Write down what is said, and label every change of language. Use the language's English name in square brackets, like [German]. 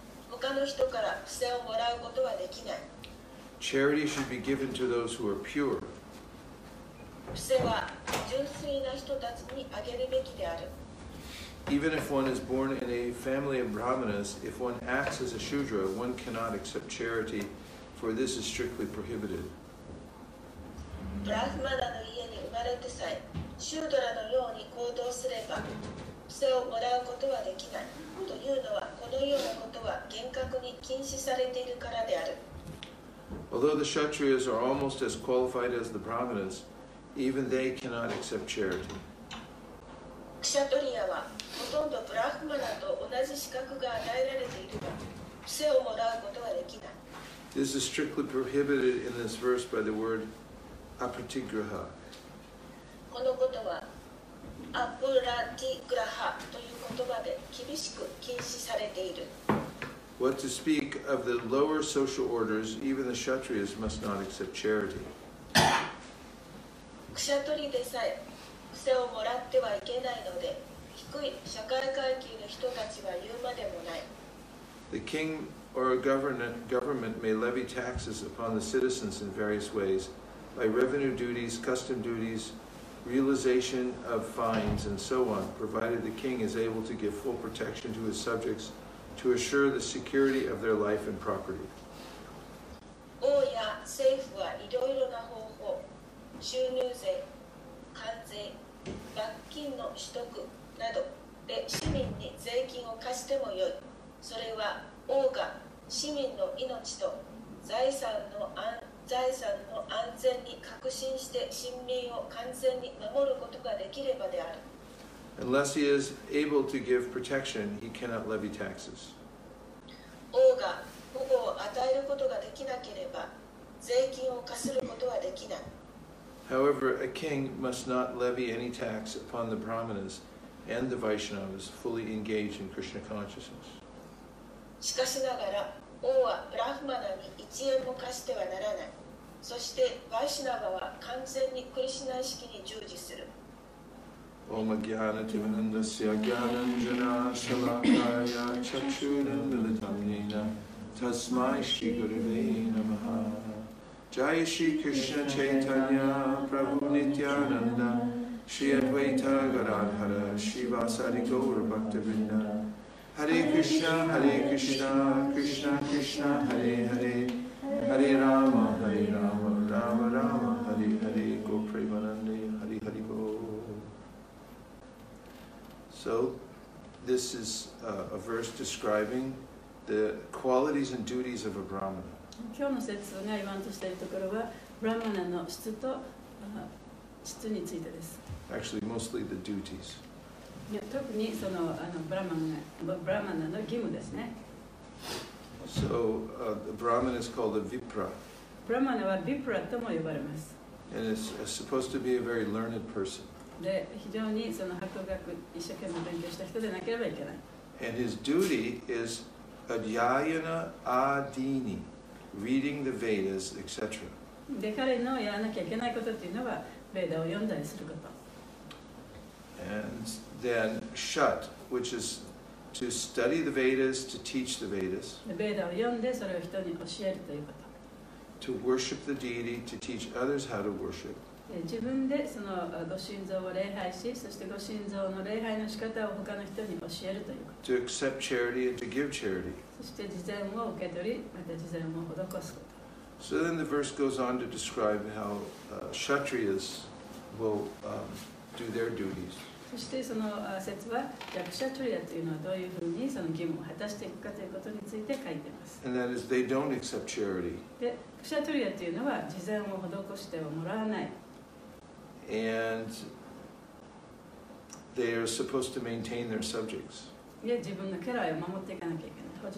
[Japanese] 他の人から布施をもらうことはできない。 [English] Charity should be given to those who are pure. [Japanese] 布施は純粋な人たちにあげるべきである。 [English] Even if one is born in a family of brahmanas, if one acts as a shudra, one cannot accept charity, for this is strictly prohibited. [Japanese] ブラフマナの家に生まれてさえ、シュードラのように行動すれば、布施をもらうことはできない。というのは、このようなことは厳格に禁止されているからである。 [English] Although the kshatriyas are almost as qualified as the brahmanas, even they cannot accept charity. [Japanese] クシャトリアはほとんどブラフマナと同じ資格が与えられているが、布施をもらうことはできない。 [English] This is strictly prohibited in this verse by the word apratigraha. [Japanese] このことはアプラティグラハという言葉で厳しく禁止されている。 [English] What to speak of the lower social orders, even the kshatriyas must not accept charity. [Japanese] クシャトリでさえ、布施をもらってはいけないので、低い社会階級の人たちは言うまでもない。 [English] The king or a government may levy taxes upon the citizens in various ways, by revenue duties, custom duties, realization of fines, and so on, provided the king is able to give full protection to his subjects to assure the security of their life and property. [Japanese] 王や政府はいろいろな方法、収入税、関税、罰金の取得などで市民に税金を貸してもよい。それは王が市民の命と財産の安全に確信して臣民を完全に守ることができればである。 [English] Unless he is able to give protection, he cannot levy taxes. [Japanese] 王が保護を与えることができなければ税金を課することはできない。 [English] However, a king must not levy any tax upon the brahmanas and the Vaishnavas fully engaged in Krishna consciousness. [Japanese] しかしながら、王はブラフマナに1円も貸してはならない。そして、ヴァイシナヴァは完全にクリシュナ意識に従事する。 [Sanskrit] Om Jnana Tivanandasya Jnananjana Shalakaya Chakshuram Militam Nena Tasmai Shri Gurave Namaha. Jaya Shri Krishna Chaitanya Prabhu Nityananda Shri Advaita Gadadhara Shri Vasadi Gaur Bhaktivinoda Hare Krishna Krishna Krishna Hare Hare Hare Rama Rama Rama Hare Hare Gopremanande Hare Hare Go [English] So this is a verse describing the qualities and duties of a Brahmana. [Japanese] 今日の説が言わんとしているところは、ブラマナの質と質についてです。 [English] Actually, mostly the duties. [Japanese] 特にその、ブラマナの義務ですね。 [English] So, the Brahman is called a Vipra. [Japanese] ブラマナはヴィプラとも呼ばれます。 [English] And it's supposed to be a very learned person. [Japanese] で、非常にその博学、一生懸命勉強した人でなければいけない。 [English] And his duty is adhyayana adini. Reading the Vedas, etc. [Japanese] で彼のやらなきゃいけないことっていうのは、ベーダを読んだりすること。 [English] And then shut, which is to study the Vedas, to teach the Vedas. [Japanese] ベーダを読んでそれを人に教えるということ。 [English] To worship the deity, to teach others how to worship. [Japanese] 自分でそのご神像を礼拝し、そしてご神像の礼拝の仕方を他の人に教えるということ。 [English] To accept charity and to give charity. [Japanese] そして慈善を受け取り、また慈善を施すこと。 [English] So then the verse goes on to describe how kshatriyas will do their duties. [Japanese] そしてその説は、クシャトリアというのはどういうふうにその義務を果たしていくかということについて書いています [English] 。 And that is they don't accept charity. [Japanese] で、クシャトリアというのは慈善を施してはもらわない。 [English] And they are supposed to maintain their subjects. [Japanese] で、自分の家来を守っていかなきゃいけない。